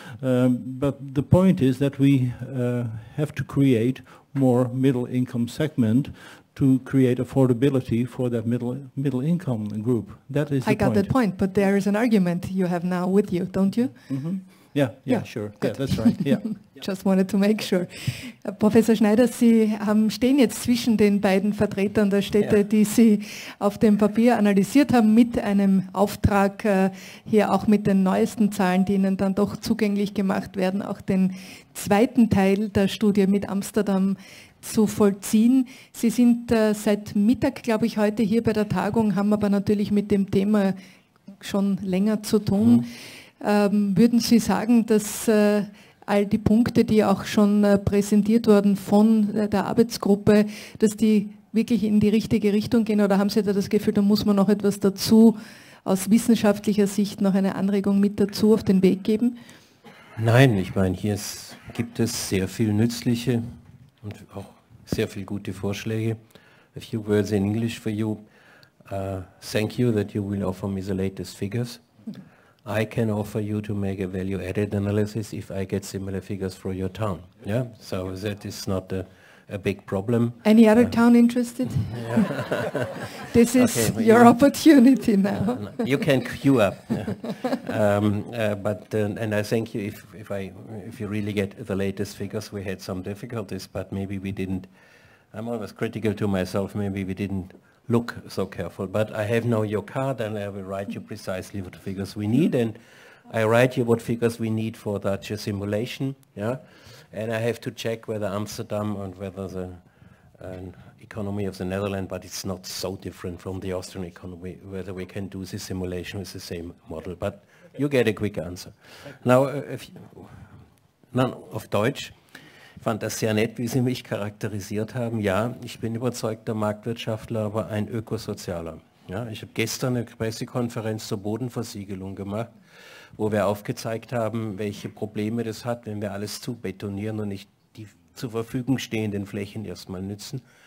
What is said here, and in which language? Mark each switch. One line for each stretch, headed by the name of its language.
English: But the point is that we have to create more middle income segment to create affordability for that middle income group. That is the point. I got that point, but there is an argument you have now with you, don't you? Mm-hmm. Yeah, sure. Good. Yeah, that's right. Yeah. Just wanted to make sure.
German: Professor Schneider, Sie stehen jetzt zwischen den beiden Vertretern der Städte, die Sie auf dem Papier analysiert haben, mit einem Auftrag, hier auch mit den neuesten Zahlen, die Ihnen dann doch zugänglich gemacht werden, auch den zweiten Teil der Studie mit Amsterdam zu vollziehen. Sie sind seit Mittag, glaube ich, heute hier bei der Tagung, haben aber natürlich mit dem Thema schon länger zu tun. Würden Sie sagen, dass all die Punkte, die auch schon präsentiert wurden von der Arbeitsgruppe, dass die wirklich in die richtige Richtung gehen? Oder haben Sie da das Gefühl, da muss man noch etwas dazu, aus wissenschaftlicher Sicht noch eine Anregung mit dazu auf den Weg geben? Nein, ich meine, hier gibt es sehr viel nützliche und auch sehr viel gute Vorschläge.
English: A few words in English for you. Thank you that you will offer me the latest figures. I can offer you to make a value-added analysis if I get similar figures for your town. Yeah, so that is not a big problem. Any other town interested? This is okay, your opportunity now. No, you can queue up. And I thank you if you really get the latest figures. We had some difficulties, but maybe we didn't. I'm always critical to myself. Maybe we didn't look so careful, but I have now your card and I will write you precisely what figures we need, and I write you what figures we need for that simulation, yeah, and I have to check whether Amsterdam and whether the economy of the Netherlands, but it's not so different from the Austrian economy, whether we can do the simulation with the same model, but you get a quick answer. Now, if none of Deutsch.
German: Ich fand das sehr nett, wie Sie mich charakterisiert haben. Ja, ich bin überzeugter Marktwirtschaftler, aber ein Ökosozialer. Ja, ich habe gestern eine Pressekonferenz zur Bodenversiegelung gemacht, wo wir aufgezeigt haben, welche Probleme das hat, wenn wir alles zubetonieren und nicht die zur Verfügung stehenden Flächen erstmal nützen.